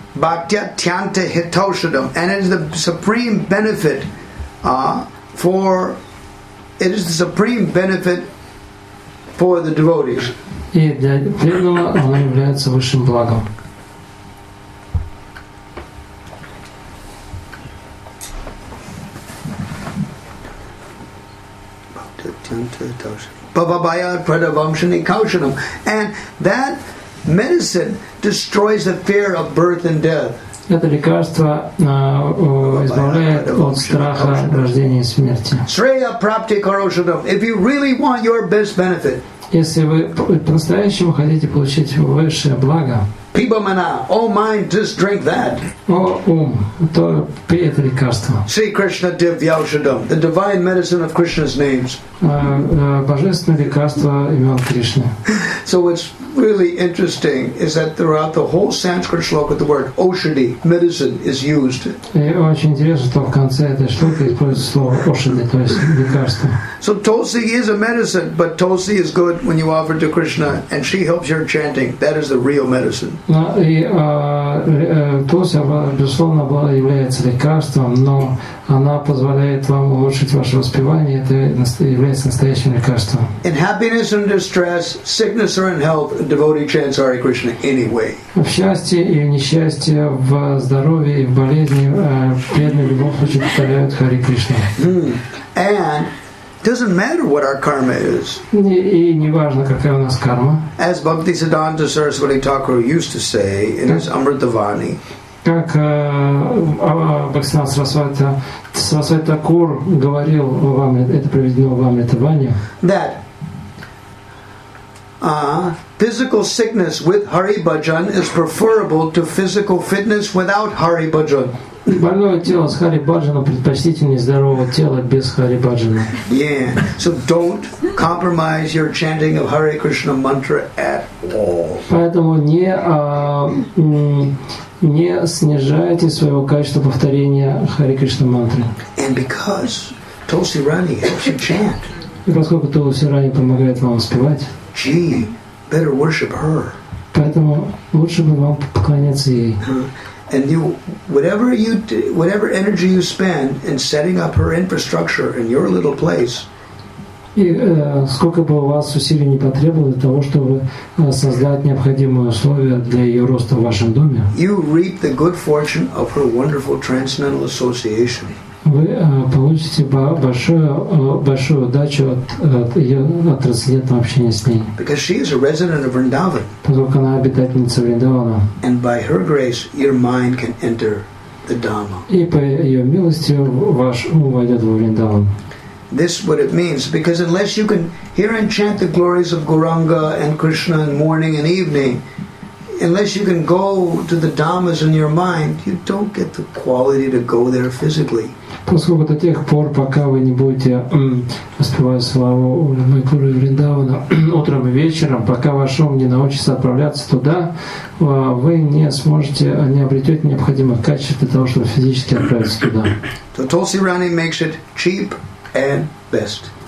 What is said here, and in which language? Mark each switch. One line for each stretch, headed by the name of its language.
Sanskrit: Bhaktya Tyanta Hitoshadam,
English: and it is the supreme benefit for the devotees.
Russian: И для преданного оно является высшим благом.
Sanskrit: Bhavabhayat Pradavamshani Kaushanam,
English: and that medicine destroys the fear of birth and death.
Russian: Это лекарство избавляет от страха рождения и смерти.
Sanskrit: Shreya Prapti Karoshadam,
English: if you really want your best benefit.
Russian: Если вы по-настоящему хотите получить высшее благо.
Sanskrit: Pibamana,
English: oh mind, just drink that.
Russian: То пей это лекарство.
Sanskrit: Shri Krishna Divyaushadam,
English: the divine medicine of Krishna's names.
Russian: Божественное лекарство имен Кришны.
English: So what's really interesting is that throughout the whole Sanskrit shloka the word oshadi, medicine, is used.
Russian: И очень интересно, что в конце этой шлоки используется слово ошади, то есть лекарство.
English: So tulsi is a medicine, but tulsi is good when you offer to Krishna and she helps your chanting. That is the real medicine.
Russian: И тулси, безусловно, является лекарством, но она позволяет вам улучшить ваше воспевание, это является настоящим лекарством.
English: In happiness and distress, sickness or in health, a devotee chants Hare Krishna anyway.
Russian: В счастье и в несчастье, в здоровье и в болезни, преданный в любом случае повторяет Хари Кришна.
English: And doesn't matter what our karma is.
Russian: И не важно, какая у нас карма.
English: As Bhaktisiddhanta Saraswati Thakur used to say in his Amritavani.
Russian: Как Бхактисиддханта Сарасвати Такур говорил вам, это приведено вам это Ваня.
English: That physical sickness with Hari Bhajan is preferable to physical fitness without Hari Bhajan.
Russian: Больное тело с Хари Баджана предпочтительнее здорового тела без Хари Баджана.
English: Yeah. So don't compromise your chanting of Hare Krishna mantra at all.
Russian: Поэтому не снижайте своего качества повторения Хари Кришна мантры.
English: And because Tulsi Rani helps you chant.
Russian: И поскольку Тулси Рани помогает вам успевать.
English: Gee, better worship her.
Russian: Поэтому лучше бы вам поклоняться ей.
English: And you, whatever you do, whatever energy you spend in setting up her infrastructure in your little place.
Russian: И сколько бы у вас усилий не потребовалось для того, чтобы создать необходимые условия для ее роста в вашем доме.
English: You reap the good fortune of her wonderful transcendental association.
Russian: Вы получите большую удачу от ее трансцендентного общения с ней.
English: Because she is a resident of Vrindavan.
Russian: Поскольку она обитательница Вриндавана.
English: And by her grace, your mind can enter the Dhamma.
Russian: И по ее милости ваш ум войдет во Вриндаван.
English: This is what it means, because unless you can hear and chant the glories of Gauranga and Krishna in morning and evening, unless you can go to the Dhammas in your mind, you don't get the quality to go there physically.
Russian: Поскольку до тех пор, пока вы не будете воспевать славу Майкуры Вриндавана утром и вечером, пока ваш ум не научится отправляться туда, вы не сможете, не обретете необходимых качеств для того, чтобы физически отправиться туда.
English: So Tulsi Rani makes it cheap and best.